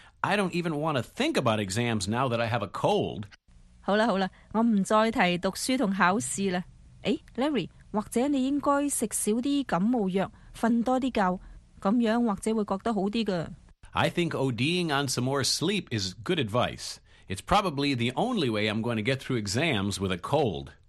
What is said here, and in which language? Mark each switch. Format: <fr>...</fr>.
<en>I don't even want to think about exams now that I have a cold.</en> <yue>好啦好啦，我唔再提读书同考试啦。诶 ，Larry， 或者你应该食少啲感冒药，瞓多啲觉，咁样或者会觉得好啲噶。</yue> <en>I think ODing on some more sleep is good advice. It's probably the only way I'm going to get through exams with a cold.</en>